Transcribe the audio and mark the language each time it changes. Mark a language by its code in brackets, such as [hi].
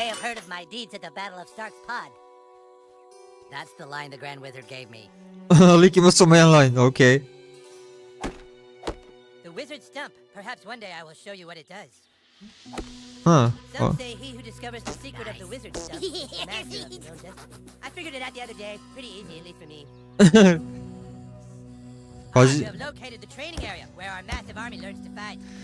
[en] They have heard of my deeds at the Battle of Stark's Pod. That's the line the Grand Wizard gave me. [bs] Lik ima samo jedan line, okej. [en] The Wizard Stump. Perhaps one day I will show you what it does. Some say he who discovers the secret of the Wizard Stump is the master of no destiny. I figured it out the other day. Pretty easy, at least for me. I have located the training area where our massive army learns to fight.